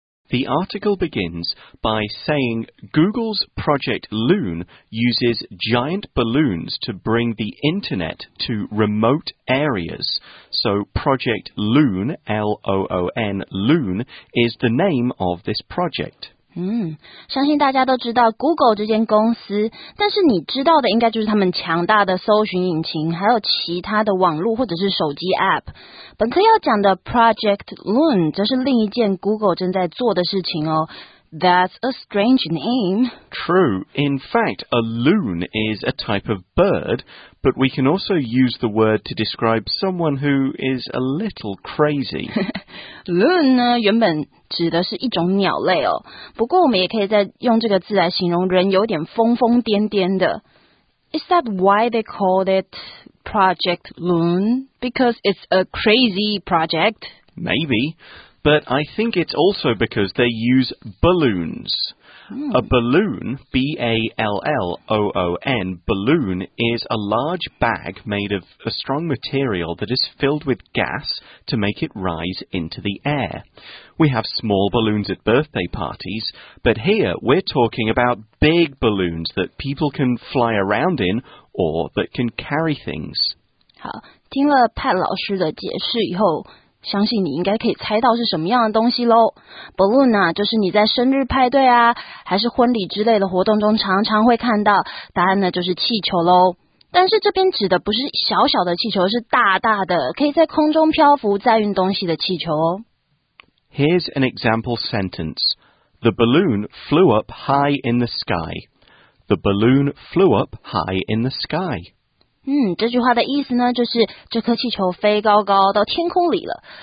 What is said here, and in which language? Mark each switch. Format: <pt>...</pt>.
<en>The article begins by saying Google's Project Loon uses giant balloons to bring the internet to remote areas. So Project Loon, L-O-O-N, Loon, is the name of this project.</en> <zh>相信大家都知道 Google 这间公司，但是你知道的应该就是他们强大的搜寻引擎，还有其他的网络或者是手机 App。本课要讲的 Project Loon 则是另一件 Google 正在做的事情哦。</zh> <en>That's a strange name. True. In fact, a loon is a type of bird, but we can also use the word to describe someone who is a little crazy.</en> <zh>Loon 呢，原本指的是一种鸟类哦。不过我们也可以再用这个字来形容人有点疯疯癫癫的。</zh> <en>Is that why they called it Project Loon? Because it's a crazy project? Maybe. But I think it's also because they use balloons. A balloon, B-A-L-L-O-O-N, balloon is a large bag made of a strong material that is filled with gas to make it rise into the air. We have small balloons at birthday parties, but here we're talking about big balloons that people can fly around in or that can carry things.</en> <zh>好，听了 Pat 老师的解释以后相信你应该可以猜到是什么样的东西咯。 Balloon 啊，就是你在生日派对啊，还是婚礼之类的活动中常常会看到，答案呢就是气球咯。但是这边指的不是小小的气球，是大大的，可以在空中漂浮载运东西的气球哦。</zh> <en>Here's an example sentence. The balloon flew up high in the sky. The balloon flew up high in the sky.</en> <zh>这句话的意思呢，就是这颗气球飞高高到天空里了。</zh>